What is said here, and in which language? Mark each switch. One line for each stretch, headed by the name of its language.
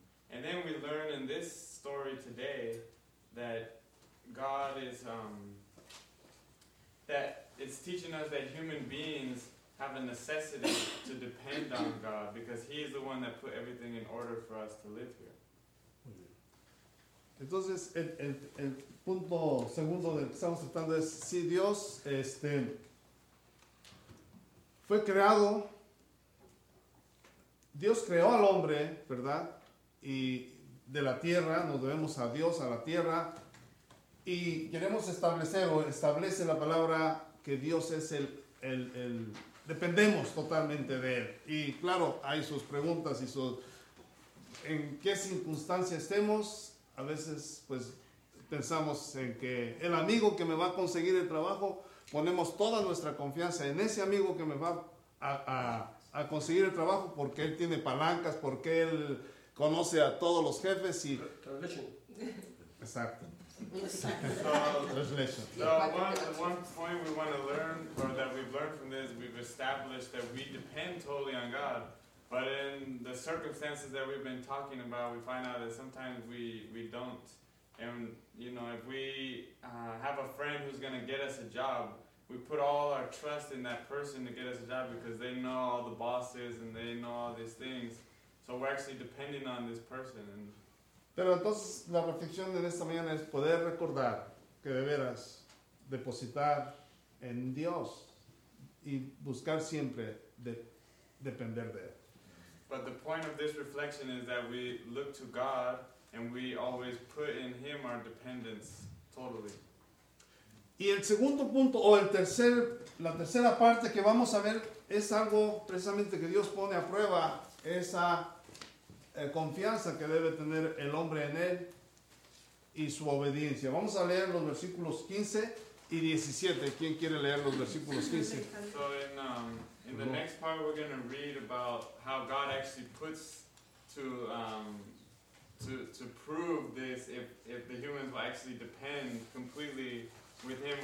English: And then we learn in this story today that God is, that it's teaching us that human beings have a necessity to depend on God because He is the one that put everything in order for us to live here.
Spanish: Entonces, el punto segundo del que estamos tratando es si Dios fue creado, Dios creó al hombre, ¿verdad? Y de la tierra, nos debemos a Dios, a la tierra, y queremos establecer o establece la palabra que Dios es el dependemos totalmente de Él. Y claro, hay sus preguntas y sus, en qué circunstancia estemos. A veces, pues, pensamos en que el amigo que me va a conseguir el trabajo, ponemos toda nuestra confianza en ese amigo que me va a conseguir el trabajo porque él tiene palancas, porque él conoce a todos los jefes y... Exacto.
English: So one point we want to learn, or that we've learned from this, we've established that we depend totally on God. But in the circumstances that we've been talking about, we find out that sometimes we don't. And, you know, if we have a friend who's going to get us a job, we put all our trust in that person to get us a job because they know all the bosses and they know all these things. So we're actually depending on this person. And
Spanish: pero entonces la reflexión de esta mañana es poder recordar que de veras depositar en Dios y buscar siempre depender de Él.
English: But the point of this reflection is that we look to God and we always put in Him our dependence totally.
Spanish: Y el segundo punto o el tercer, la tercera parte que vamos a ver es algo precisamente que Dios pone a prueba esa confianza que debe tener el hombre en Él y su obediencia. Vamos a leer los versículos 15 y 17. ¿Quién quiere leer los versículos 15?
English: So in the next part we're going to read about how God actually puts to prove this if the humans will actually depend completely with Him.